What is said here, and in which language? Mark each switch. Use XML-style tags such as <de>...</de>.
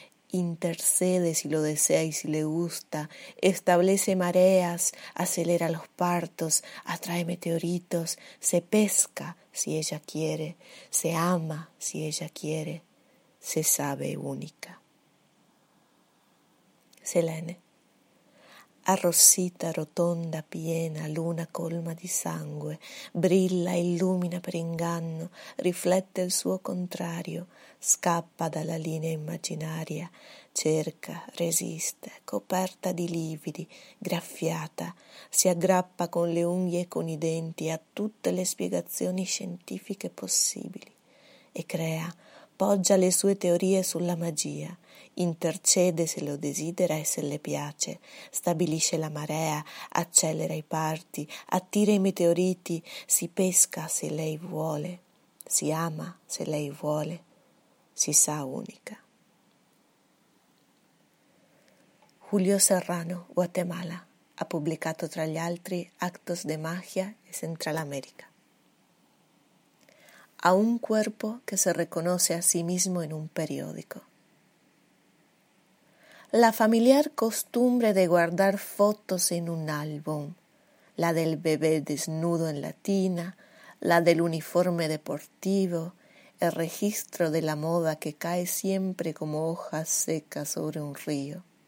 <es>intercede si lo desea y si le gusta, establece mareas, acelera los partos, atrae meteoritos, se pesca si ella quiere, se ama si ella quiere, se sabe única. Selene.</es> <it>Arrossita, rotonda, piena, luna colma di sangue, brilla, illumina per inganno, riflette il suo contrario, scappa dalla linea immaginaria, cerca, resiste, coperta di lividi, graffiata, si aggrappa con le unghie e con i denti a tutte le spiegazioni scientifiche possibili e crea, poggia le sue teorie sulla magia. Intercede se lo desidera e se le piace, stabilisce la marea, accelera i parti, attira i meteoriti, si pesca se lei vuole, si ama se lei vuole, si sa unica. Julio Serrano, Guatemala, ha pubblicato tra gli altri Actos de Magia e Central America.</it> <es>A un cuerpo</es> <it>che</it> <es>se reconoce a sí mismo en un periódico. La familiar costumbre de guardar fotos en un álbum, la del bebé desnudo en la tina, la del uniforme deportivo, el registro de la moda que cae siempre como hojas secas sobre un río.</es>